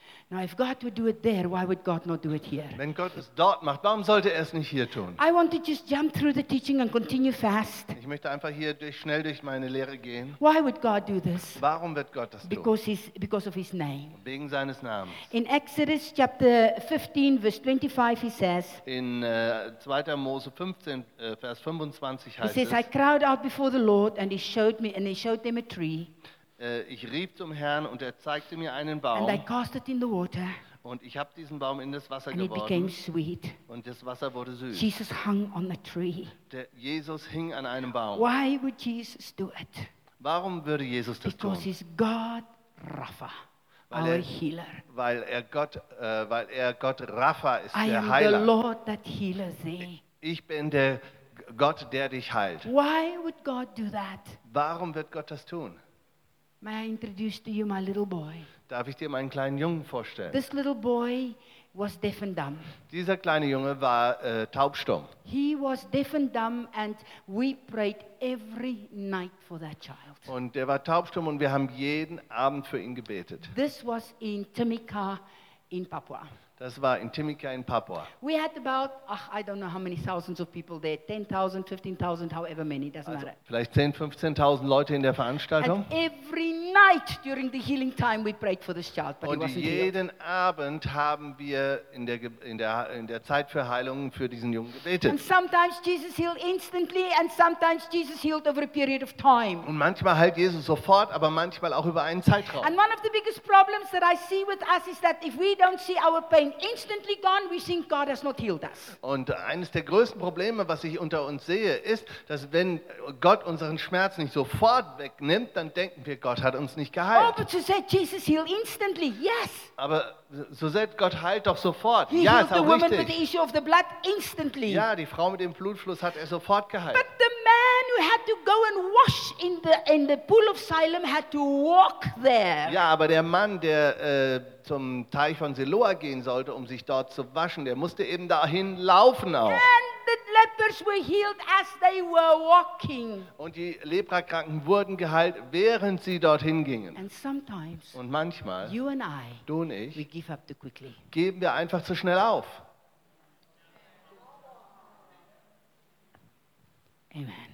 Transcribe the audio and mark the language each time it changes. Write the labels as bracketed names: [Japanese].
[English] Now, if God would do it there, why would God not do it here? [German] Wenn Gott es dort macht, warum sollte er es nicht hier tun? [English] I want to just jump through the teaching and continue fast. [German] Ich möchte einfach hier schnell durch meine Lehre gehen. [English] Why would God do this? [German] Warum wird Gott das [English] because [German] tun? [English] Because of his name. [German] Wegen seines Namens. [English] In Exodus chapter 15, verse 25, he says. [German] In 2. Mose 15, Vers 25 heißt es. [English] He says, I cried out before the Lord, and he showed me, and he showed them a tree. [German] Ich rief zum Herrn und er zeigte mir einen Baum. [English] And I cast it in the water. [German] Und ich habe diesen Baum in das Wasser [English] and [German] geworfen. [English] It became sweet. [German] Und das Wasser wurde süß. [English] Jesus hung on the tree. [German] Der Jesus hing an einem Baum. [English] Why would Jesus do it? [German] Warum würde Jesus das [English] Because [German] tun? [English] He's God Rapha. [German] Weil er Gott Rapha ist, der [English] I am [German] Heiler. [English] The Lord that heals thee. [German] Ich bin der Gott, der dich heilt. [English] Why would God do that? [German] Warum wird Gott das tun? [English] May I introduce to you my little boy? [German] Darf ich dir meinen kleinen Jungen vorstellen? [English] This little boy was deaf and dumb. [German] Dieser kleine Junge war taubstumm. [English] He was deaf and dumb and we prayed every night for that child. [German] Und er war taubstumm und wir haben jeden Abend für ihn gebetet. [English] This was in Timica in Papua. [German] Das war in Timica in Papua. [English] We had about, I don't know how many thousands of people there, 10,000, 15,000, however many, doesn't [German] also [English] matter. [German] Vielleicht 10,000, 15,000 Leute in der Veranstaltung. [English] And every night during the healing time we prayed for this child, but [German] und [English] he wasn't [German] jeden [English] healed. [German] Abend haben wir in der Zeit für Heilung für diesen Jungen gebetet. [English] And sometimes Jesus healed instantly and sometimes Jesus healed over a period of time. [German] Und manchmal heilt Jesus sofort, aber manchmal auch über einen Zeitraum. [English] And one of the biggest problems that I see with us is that if we don't see our pain instantly gone, we think God has not healed us. [German] Und eines der größten Probleme, was ich unter uns sehe, ist, dass wenn Gott unseren Schmerz nicht sofort wegnimmt, dann denken wir, Gott hat uns nicht geheilt. [English] Oh, but you said Jesus healed instantly. Yes. [German] Aber so sagt Gott, heilt doch sofort. [English] He [German] ja, [English] healed the woman [German] richtig. [English] With the issue of the blood instantly. [German] Ja, die Frau mit dem Blutfluss hat er sofort geheilt. [English] But the man who had to go and wash in the pool of Siloam had to walk there. [German] Ja, aber der Mann, der zum Teich von Siloa gehen sollte, um sich dort zu waschen, der musste eben dahin laufen auch. [English] And the lepers were healed as they were walking. [German] Und die Leprakranken wurden geheilt, während sie dorthin gingen. [English] And sometimes, [German] und manchmal, [English] you and I, [German] du und ich, [English] we give up too quickly. [German] Geben wir einfach zu schnell auf. [English] Amen.